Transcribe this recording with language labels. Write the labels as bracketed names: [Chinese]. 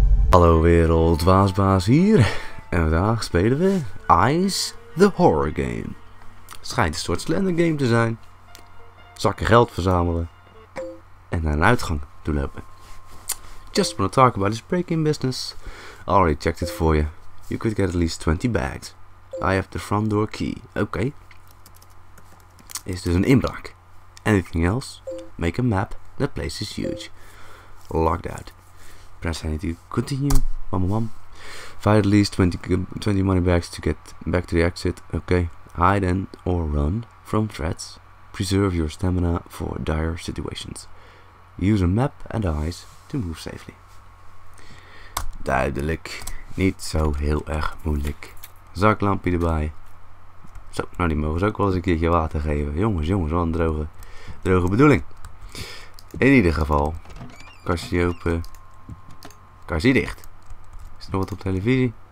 [Dutch] Hallo wereld, Waasbaas hier. En vandaag spelen we Ice the Horror Game. Schijnt een soort slender game te zijn. Zakken geld verzamelen. En naar een uitgang toe lopen. [English] Just wanna talk about this break-in business. Already checked it for you. You could get at least 20 bags. I have the front door key. Okay. [Dutch] Is dus een inbraak. [English] Anything else? Make a map. That place is huge. Locked out. Press any to continue. Mom. Find at least 20 money bags to get back to the exit. Okay. Hide and or run from threats. Preserve your stamina for dire situations. Use a map and eyes to move safely. [Dutch] Duidelijk. Niet zo heel erg moeilijk. Zaklampje erbij. Zo, nou die mogen ze ook wel eens een keertje water geven. Jongens, wat een droge bedoeling. In ieder geval. Kastje open. Kastje dicht. Is er nog wat op televisie?